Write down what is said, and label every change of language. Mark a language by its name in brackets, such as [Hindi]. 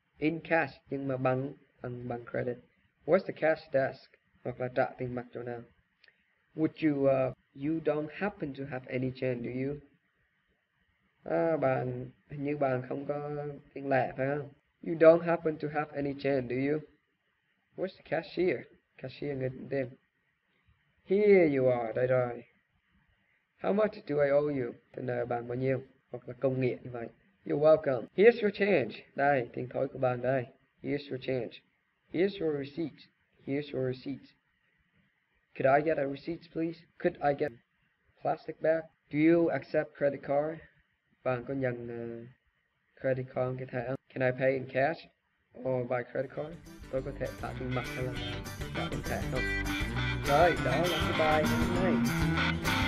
[English] In cash, [Vietnamese] nhưng mà bằng [English] credit. Where's the cash desk? [Vietnamese] Hoặc là trả tiền mặt chỗ nào? [English] Would you, you don't happen to have any change, do you? [Vietnamese] Bạn, hình như bạn không có tiền lẻ phải không? [English] You don't happen to have any change, do you? Where's the cashier? [Vietnamese] Cashier người tiền tiền. [English] Here you are, [Vietnamese] đây rồi. [English] How much do I owe you? [Vietnamese] Tôi nợ bạn bao nhiêu? Hoặc là công nghệ như vậy. [English] You're welcome. Here's your change. [Vietnamese] Đây, tiền thối của bạn đây. [English] Here's your change. Here's your receipt. Here's your receipt. Could I get a receipt, please? Could I get plastic bag? Do you accept credit card? [Vietnamese] Bạn có nhận credit card cái thẻ không? [English] Can I pay in cash or by credit card? [Vietnamese] Tôi có thể trả tiền mặt hay là trả tiền thẻ không? Rồi, đó là cái bài hôm nay.